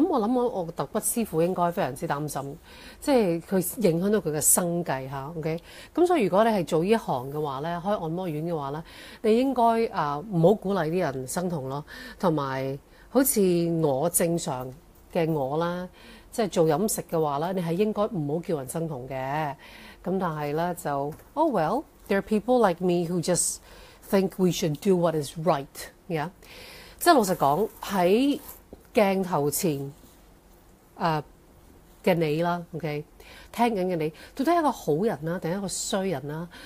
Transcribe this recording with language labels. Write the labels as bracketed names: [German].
[Cantonese] 咁我諗我個揼骨師傅應該非常之擔心，即係佢影響到佢嘅生計嚇。 OK，咁所以如果你係做呢一行嘅話咧，開按摩院嘅話咧，你應該唔好鼓勵啲人生痛咯。同埋好似我正常嘅我啦。即係做飲食嘅話咧，你係應該唔好叫人生酮嘅。咁但係咧就， [English] oh well，there are people like me who just think we should do what is right，yeah。 [Cantonese] 即係老實講，喺鏡頭前嘅你啦，OK，聽緊嘅你，到底一個好人啦，定一個衰人啦？